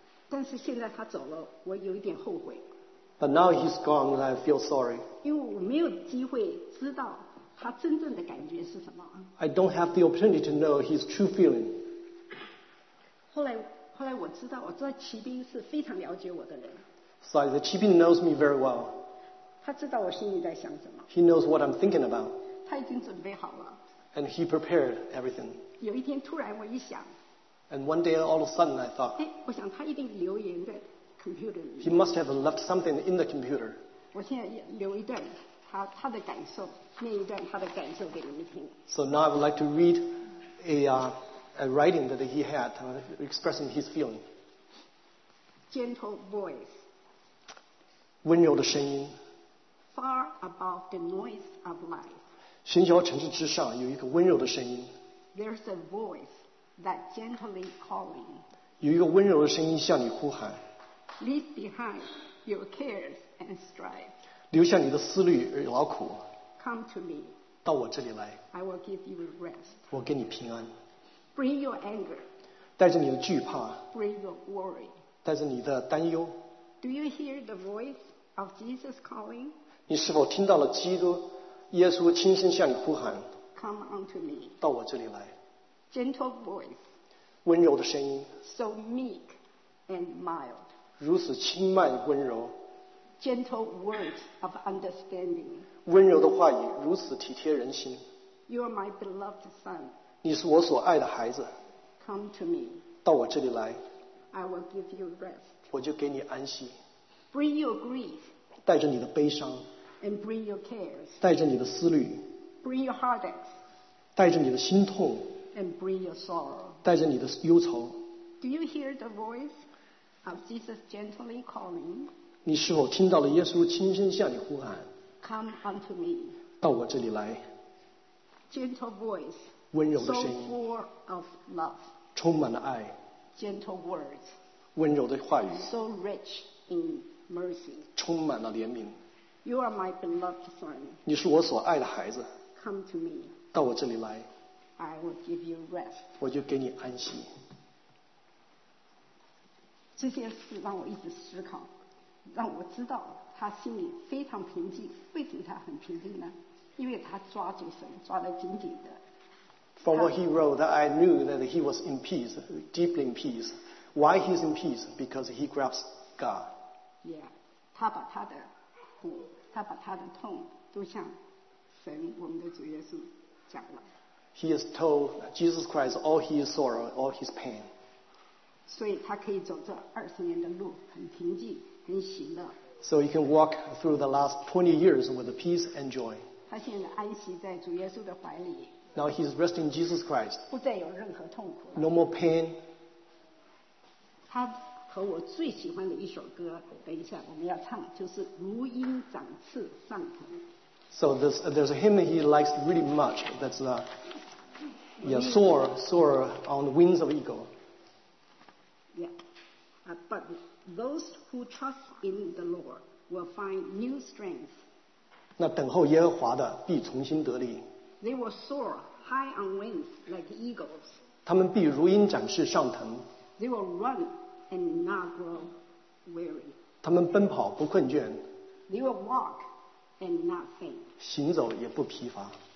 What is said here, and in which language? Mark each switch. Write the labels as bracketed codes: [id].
[zh] 但是现在他走了，我有一点后悔。 [en] But now he's gone, and I feel sorry. [zh] 因为我没有机会知道。他真正的感觉是什么？ [en] I don't have the opportunity to know his true feeling. [zh] 后来我知道，我知道骑兵是非常了解我的人。 [en] So the 骑兵 knows me very well. [zh] 他知道我心里在想什么。 [en] He knows what I'm thinking about. [zh] 他已经准备好了。 [en] And he prepared everything. [zh] 有一天突然我一想。 [en] And one day all of a sudden I thought. [zh] 我想他一定留言在 computer 里。 [en] He must have left something in the computer. [zh] 我现在留一段。他的感受，念一段他的感受给你们听。 [en] So now I would like to read a writing that he had, expressing his feeling. Gentle voice. [zh] 温柔的声音。 [en] Far above the noise of life. [zh] 喧嚣城市之上有一个温柔的声音。 [en] There's a voice that gently calling. [zh] 有一个温柔的声音向你呼喊。 [en] Leave behind your cares and strife. [zh] 留下你的思虑与劳苦 [en] Come to me, [zh] 到我这里来 [en] I will give you rest. [zh] 我给你平安 [en] Bring your anger, [zh] 带着你的惧怕 [en] Bring your worry, [zh] 带着你的担忧 [en] Do you hear the voice of Jesus calling? [zh] 你是否听到了基督耶稣轻声向你呼喊？ [en] Come unto me. [zh] 到我这里来。 [en] Gentle voice. [zh] 温柔的声音。 [en] So meek and mild. [zh] 如此轻慢温柔。 [en] Gentle words of understanding. [zh] 温柔的话语如此体贴人心。 [en] You are my beloved son. [zh] 你是我所爱的孩子。 [en] Come to me. [zh] 到我这里来。 [en] I will give you rest. [zh] 我就给你安息。 [en] Bring your grief. [zh] 带着你的悲伤。 [en] And bring your cares. [zh] 带着你的思虑。 [en] Bring your heartaches. [zh] 带着你的心痛。 [en] And bring your sorrow. [zh] 带着你的忧愁。 [en] Do you hear the voice of Jesus gently calling? [zh] 你是否听到了耶稣轻声向你呼喊？ [en] Come unto me. [zh] 到我这里来。 [en] Gentle voice. [zh] 温柔的声音。 [en] So full of love. [zh] 充满了爱。 [en] Gentle words. [zh] 温柔的话语。 [en] So rich in mercy. [zh] 充满了怜悯。 [en] You are my beloved son. [zh] 你是我所爱的孩子。 [en] Come to me. [zh] 到我这里来。 [en] I will give you rest. [zh] 我就给你安息。这些事让我一直思考，让我知道他心里非常平静。为什么他很平静呢？因为他抓住神，抓得紧紧的。 [en] From what he wrote, that I knew that he was in peace, deeply in peace. Why he's in peace? Because he grasps God. [zh] Yeah, 他把他的苦，他把他的痛，都向神，我们的主耶稣讲了。 [en] He has told Jesus Christ all his sorrow, all his pain. [zh] 所以他可以走这20年的路，很平静，很喜乐。 [en] So he can walk through the last 20 years with peace and joy. [zh] 他现在安息在主耶稣的怀里。 [en] Now he's resting in Jesus Christ. [zh] 不再有任何痛苦。 [en] No more pain. [zh] 他和我最喜欢的一首歌，等一下我们要唱，就是《如鹰展翅上腾》。 [en] So there's a hymn that he likes really much. That's soar on the wings of eagle. Yeah, but those who trust in the Lord will find new strength. [zh] 那等候耶和华的必重新得力。 [en] They will soar high on wings like eagles. [zh] 他们必如鹰展翅上腾。 [en] They will run and not grow weary. [zh] 他们奔跑不困倦。 [en] They will walk and not faint. [zh] 行走也不疲乏。